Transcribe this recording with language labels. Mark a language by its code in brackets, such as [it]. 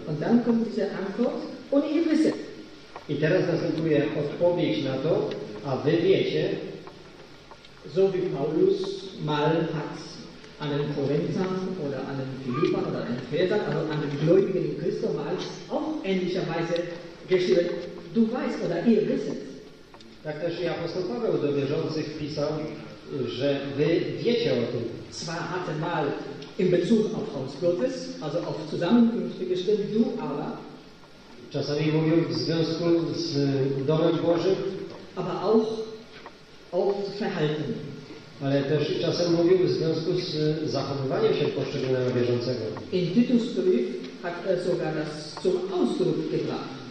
[de] Und dann kommt diese Antwort, und ihr wisst. [pl] I teraz następuje odpowiedź na to, a wy wiecie, [de] so wie Paulus mal hat. An den Korinthern oder an den Philippern oder an den Vätern, also an den Gläubigen in Christo mal auch ähnlicherweise geschrieben, du weißt oder ihr wisst. [pl] Tak też i apostoł Paweł do wierzących pisał, że wy wiecie o tym. [de] Zwar hatte mal in Bezug auf Haus Gottes, also auf Zusammenkünfte geschrieben, du aber. [pl] Czasami mówił w związku z Domem Bożym. [de] Aber auch auf Verhalten. [pl] Ale też czasem mówił w związku z zachowywaniem się poszczególnego wierzącego. [de] In Titus Brief hat sogar das zum Ausdruck gebracht.